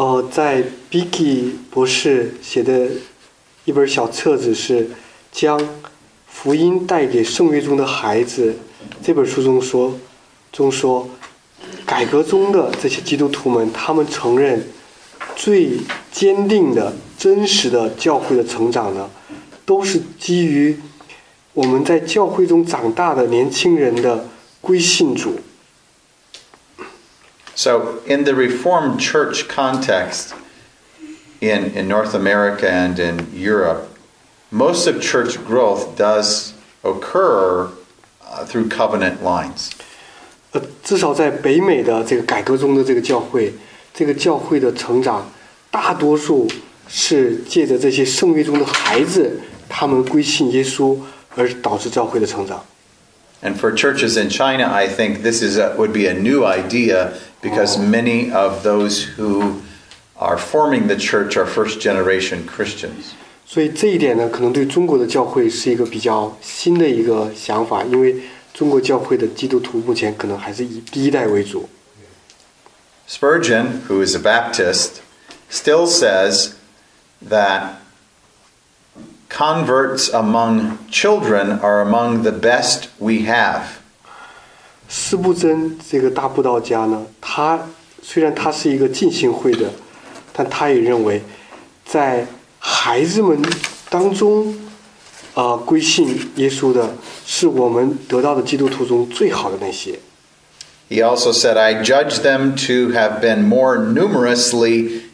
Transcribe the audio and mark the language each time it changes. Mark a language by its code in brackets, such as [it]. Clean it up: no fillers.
[zh] 在 Beakey 博士写的一本小册子是将福音带给圣约中的孩子这本书中说改革中的这些基督徒们他们承认最坚定的真实的教会的成长呢，都是基于我们在教会中长大的年轻人的归信主。 [en] So in the Reformed Church context in North America and in Europe, most of church growth does occur through covenant lines. [zh] 至少在北美的这个改革中的这个教会，这个教会的成长大多数。是借着这些圣约中的孩子，他们归信耶稣，而导致教会的成长。 [en] And for churches in China, I think this is would be a new idea because many of those who are forming the church are first generation Christians. [zh] 所以这一点呢，可能对中国的教会是一个比较新的一个想法，因为中国教会的基督徒目前可能还是以第一代为主。 [en] Spurgeon, who is a Baptist, still says. That converts among children are among the best we have. [zh] 斯布珍这个大布道家呢，他虽然他是一个浸信会的，但他也认为，在孩子们当中，归信耶稣的是我们得到的基督徒中最好的那些。 [en] He also said, "I judge them to have been more numerously."